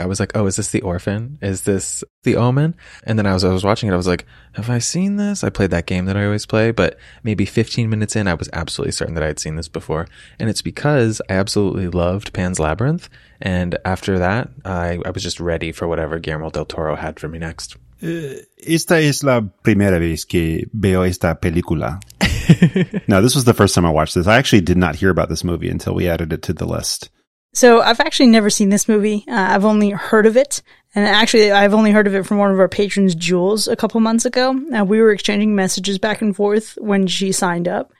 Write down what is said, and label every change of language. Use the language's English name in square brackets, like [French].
[English] I was like, oh, is this The Orphan? Is this The Omen? And then I was watching it. I was like, have I seen this? I played that game that I always play, but maybe 15 minutes in, I was absolutely certain that I had seen this before. And it's because I absolutely loved Pan's Labyrinth. And after that, I was just ready for whatever Guillermo del Toro had for me next. [Spanish] Esta es la primera vez que veo esta película. [English] Now, this was the first time I watched this. I actually did not hear about this movie until we added it to the list. So I've actually never seen this movie. I've only heard of it. And actually, I've only heard of it from one of our patrons, Jules, a couple months ago. We were exchanging messages back and forth when she signed up.